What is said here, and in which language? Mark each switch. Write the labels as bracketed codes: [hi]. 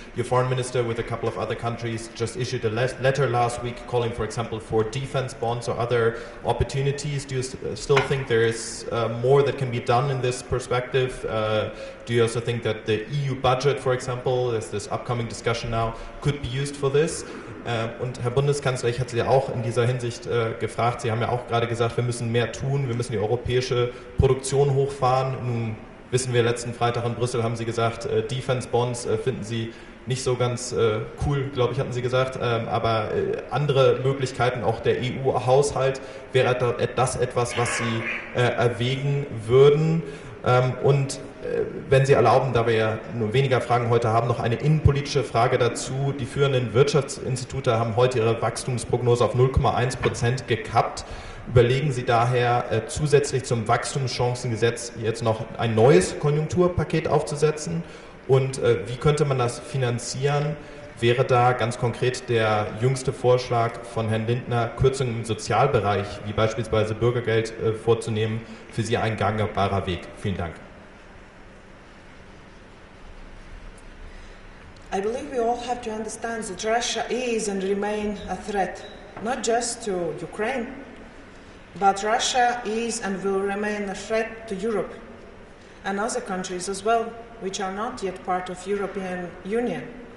[en] Your foreign minister, with a couple of other countries, just issued a letter last week calling, for example, for defense bonds or other opportunities. Do you still think there is more that can be done in this perspective? Do you also think that the EU budget, for example, there's this upcoming discussion now, could be used for this? [de] Und Herr Bundeskanzler, ich hatte Sie auch in dieser Hinsicht gefragt. Sie haben ja auch gerade gesagt, wir müssen mehr tun, wir müssen die europäische Produktion hochfahren. Nun wissen wir, letzten Freitag in Brüssel haben Sie gesagt, Defense Bonds finden Sie nicht so ganz cool, glaube ich, hatten Sie gesagt. Aber andere Möglichkeiten, auch der EU-Haushalt, wäre das etwas, was Sie erwägen würden? Und wenn Sie erlauben, da wir ja nur weniger Fragen heute haben, noch eine innenpolitische Frage dazu. Die führenden Wirtschaftsinstitute haben heute ihre Wachstumsprognose auf 0,1% gekappt. Überlegen Sie daher, zusätzlich zum Wachstumschancengesetz jetzt noch ein neues Konjunkturpaket aufzusetzen? Und wie könnte man das finanzieren? Wäre da ganz konkret der jüngste Vorschlag von Herrn Lindner, Kürzungen im Sozialbereich, wie beispielsweise Bürgergeld vorzunehmen, für Sie ein gangbarer Weg? Vielen Dank. [en] I believe we all have to understand that Russia is and remains a threat, not just to Ukraine, but Russia is and will remain a threat to Europe and other countries as well, which are not yet part of the European Union.